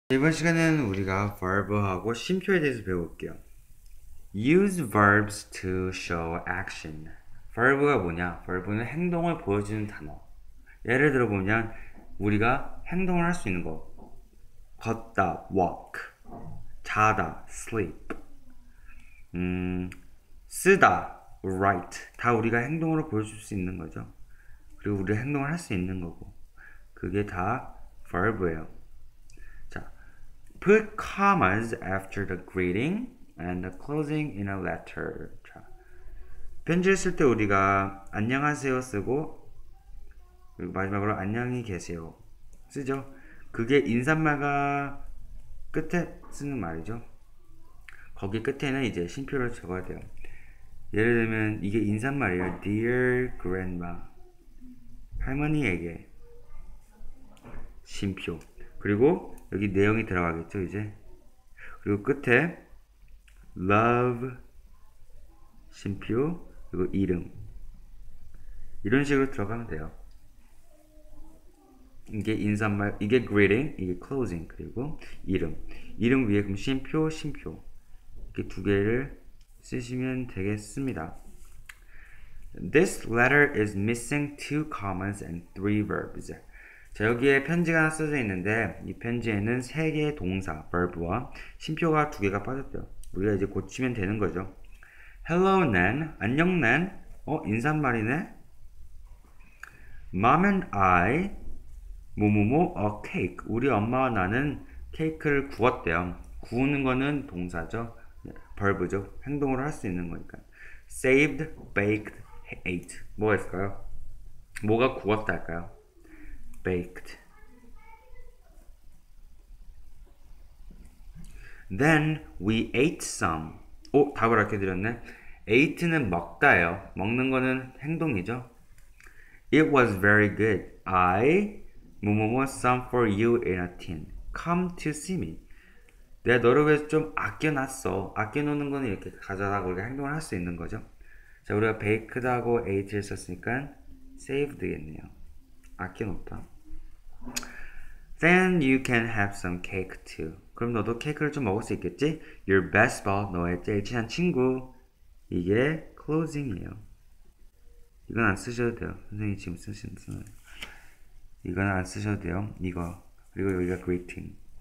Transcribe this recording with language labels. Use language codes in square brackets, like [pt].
[ko] 이번 시간에는 우리가 verb하고 쉼표에 대해서 배워볼게요. [en] Use verbs to show action. [ko] verb가 뭐냐? verb는 행동을 보여주는 단어. 예를 들어 보면 우리가 행동을 할수 있는 거. 걷다, walk. 자다, sleep. 쓰다, write. 다 우리가 행동으로 보여줄 수 있는 거죠. 그리고 우리가 행동을 할수 있는 거고. 그게 다 verb예요. [en] Put commas after the greeting and the closing in a letter. [ko] 자, 편지를 쓸때 우리가 안녕하세요 쓰고 그리고 마지막으로 안녕히 계세요 쓰죠. 그게 인사말과 끝에 쓰는 말이죠. 거기 끝에는 이제 쉼표를 적어야 돼요. 예를 들면 이게 인사말이에요. [en] Dear Grandma, [ko] 할머니에게 쉼표. 그리고 여기 내용이 들어가겠죠, 이제. 그리고 끝에 love 쉼표 그리고 이름. 이런 식으로 들어가면 돼요. 이게 인사말, 이게 greeting, 이게 closing, 그리고 이름. 이름 위에 그럼 쉼표, 쉼표. 이렇게 두 개를 쓰시면 되겠습니다. [en] This letter is missing two commas and three verbs. [ko] 자, 여기에 편지가 하나 써져 있는데, 이 편지에는 세 개의 동사, verb와 쉼표가 두 개가 빠졌대요. 우리가 이제 고치면 되는 거죠. [en] Hello, Nan. [ko] 안녕, Nan. 인사말이네. [en] Mom and I, 뭐뭐뭐, a cake. [ko] 우리 엄마와 나는 케이크를 구웠대요. 구우는 거는 동사죠. verb죠. 행동을 할수 있는 거니까. [en] Saved, baked, ate. [ko] 뭐가 있을까요? 뭐가 구웠달까요? Baked. [en] Then we ate some. [ko] 답을 이렇게 드렸네. Ate는 먹다예요. 먹는 거는 행동이죠. [en] It was very good. I 뭐뭐뭐 some for you in a tin. Come to see me. [ko] 내가 너를 위해서 좀 아껴놨어. 아껴놓는 거는 이렇게 가져다 우리가 행동을 할수 있는 거죠. 자, 우리가 baked하고 ate를 썼으니까 saved 되겠네요. 아껴놓다. [en] Then you can have some cake too. [ko] 그럼 너도 케이크를 좀 먹을 수 있겠지? [en] Your best pal, [ko] 너의 제일 친한 친구. 이게 closing이에요. 이건 안 쓰셔도 돼요. 선생님이 지금 쓰신 선생님. 이건 안 쓰셔도 돼요. 이거. 그리고 여기가 greeting.